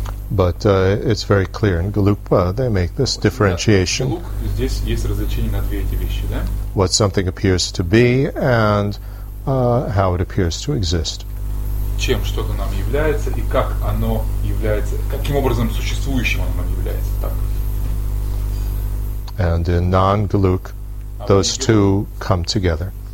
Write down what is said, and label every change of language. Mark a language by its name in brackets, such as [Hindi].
[English] But it's very clear in Gelugpa they make this differentiation. [Russian] Здесь есть различение на две эти вещи, да? [English] What something appears to be and how it appears to exist. [Russian] Чем что-то нам является и как оно является, каким образом существующим оно нам является, так? [English] And in non-Gelug, those two come together.